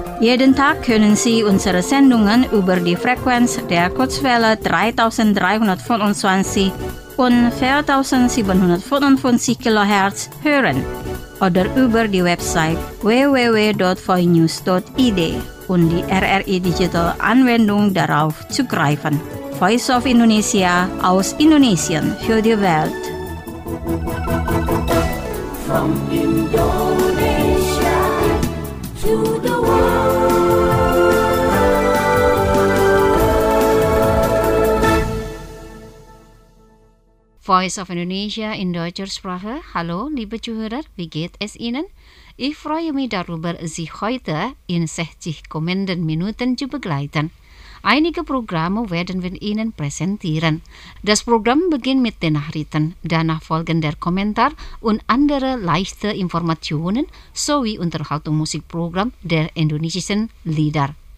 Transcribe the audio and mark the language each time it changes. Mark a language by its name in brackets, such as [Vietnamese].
[German] Jeden Tag können Sie unsere Sendungen über die Frequenz der Kurzwelle 3325 und 4755 kHz hören oder über die Website www.voinews.id und die RRI Digital Anwendung darauf zugreifen. Voice of Indonesia aus Indonesien für die Welt. [English] From Indonesia to the world. [German] Voice of Indonesia in Deutscher Sprache. Hallo, liebe Zuhörer, wie geht es Ihnen? Ich freue mich darüber, Sie heute in 60 kommenden Minuten zu begleiten. Einige Programme werden wir Ihnen präsentieren. Das Programm beginnt mit den Nachrichten, danach folgen der Kommentar und andere leichte Informationen sowie Unterhaltungsmusikprogramm der indonesischen Lieder.